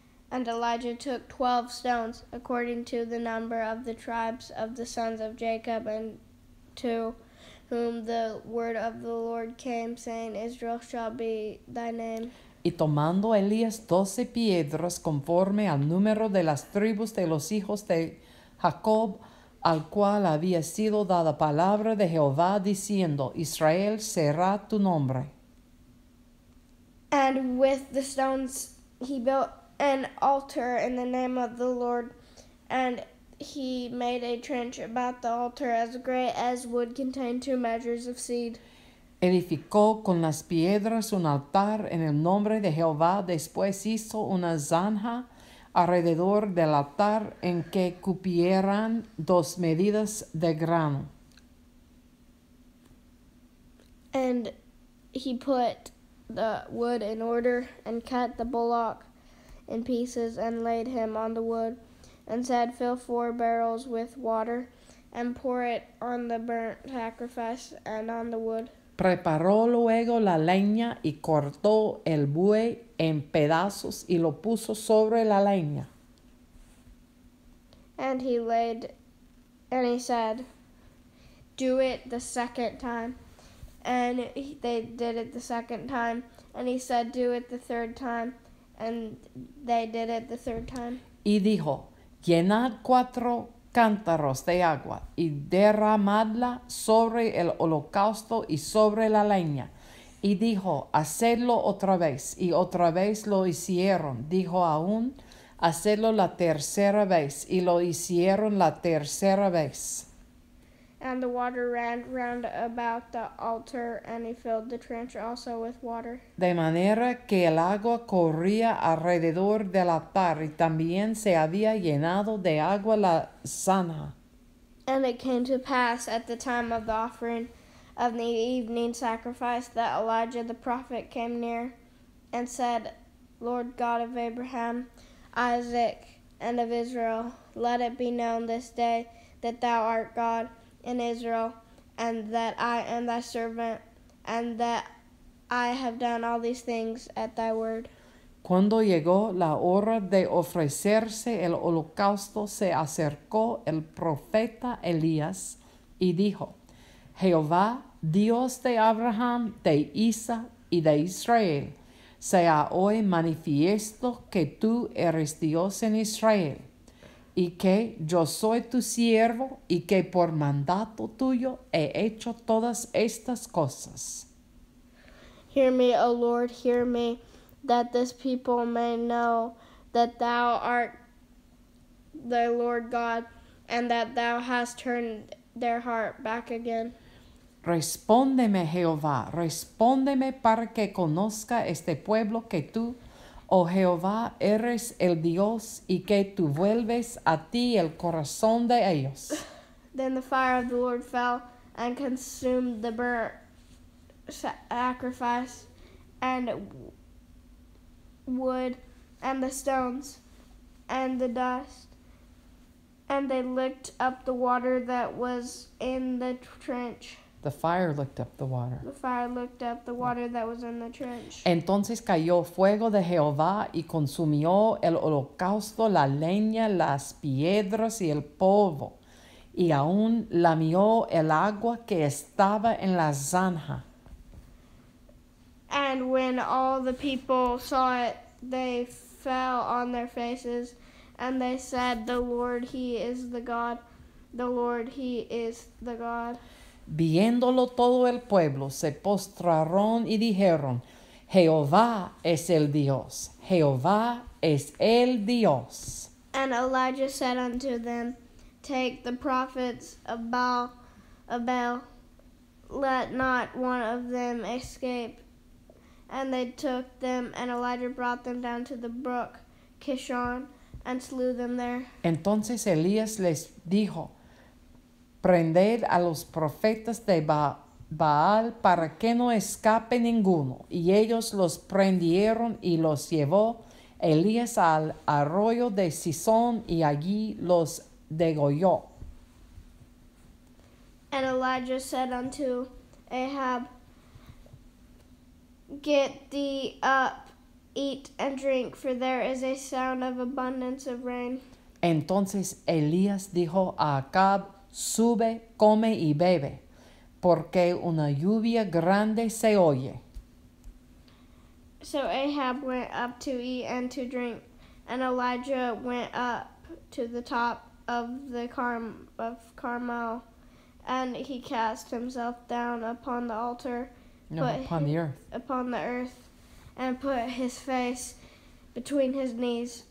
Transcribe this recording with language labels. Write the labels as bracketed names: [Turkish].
[English] And Elijah took 12 stones according to the number of the tribes of the sons of Jacob, and to whom the word of the Lord came, saying, Israel shall be thy name. [Spanish] Y tomando Elías 12 piedras conforme al número de las tribus de los hijos de Jacob, al cual había sido dada palabra de Jehová, diciendo, Israel será tu nombre. [English] And with the stones he built an altar in the name of the Lord, and he made a trench about the altar as great as would contain 2 measures of seed. [Spanish] Edificó con las piedras un altar en el nombre de Jehová. Después hizo una zanja alrededor del altar en que cupieran 2 medidas de grano. [English] And he put the wood in order and cut the bullock in pieces and laid him on the wood and said, fill 4 barrels with water and pour it on the burnt sacrifice and on the wood. [Spanish] Preparó luego la leña y cortó el buey en pedazos y lo puso sobre la leña. [English] And he laid, and he said, do it the second time. And they did it the second time. And he said, do it the third time. And they did it the third time. [Spanish] Y dijo, llenad 4 cántaros de agua y derramadla sobre el holocausto y sobre la leña. Y dijo, hacedlo otra vez. Y otra vez lo hicieron. Dijo aún, hacedlo la tercera vez. Y lo hicieron la tercera vez. [English] And the water ran round about the altar, and he filled the trench also with water. [Spanish] De manera que el agua corría alrededor del altar, y también se había llenado de agua la zanja. [English] And it came to pass at the time of the offering of the evening sacrifice that Elijah the prophet came near and said, Lord God of Abraham, Isaac, and of Israel, let it be known this day that thou art God in Israel, and that I am thy servant, and that I have done all these things at thy word. [Spanish] Cuando llegó la hora de ofrecerse el holocausto, se acercó el profeta Elías y dijo, Jehová, Dios de Abraham, de Isaac y de Israel, sea hoy manifiesto que tú eres Dios en Israel, y que yo soy tu siervo, y que por mandato tuyo he hecho todas estas cosas. [English] Hear me, O Lord, hear me, that this people may know that thou art the Lord God, and that thou hast turned their heart back again. [Spanish] Respóndeme, Jehová, respóndeme para que conozca este pueblo que tú, oh Jehová, eres el Dios, y que tú vuelves a ti el corazón de ellos. [English] Then the fire of the Lord fell and consumed the burnt sacrifice and wood and the stones and the dust. And they licked up the water that was in the trench. The fire licked up the water. The fire licked up the water that was in the trench. [Spanish] Entonces cayó fuego de Jehová y consumió el holocausto, la leña, las piedras y el polvo. Y aún lamió el agua que estaba en la zanja. [English] And when all the people saw it, they fell on their faces and they said, the Lord, he is the God. The Lord, he is the God. [Spanish] Viéndolo todo el pueblo, se postraron y dijeron, Jehová es el Dios, Jehová es el Dios. [English] And Elijah said unto them, take the prophets of Baal, let not one of them escape. And they took them, and Elijah brought them down to the brook Kishon, and slew them there. [Spanish] Entonces Elías les dijo, prended a los profetas de Baal para que no escape ninguno. Y ellos los prendieron y los llevó Elías al arroyo de Sison y allí los degolló. [English] And Elijah said unto Ahab, get thee up, eat and drink, for there is a sound of abundance of rain. [Spanish] Entonces Elías dijo a Acab, sube, come y bebe, porque una lluvia grande se oye. [English] So Ahab went up to eat and to drink, and Elijah went up to the top of the Carmel, and he cast himself down upon the altar, upon the earth, and put his face between his knees.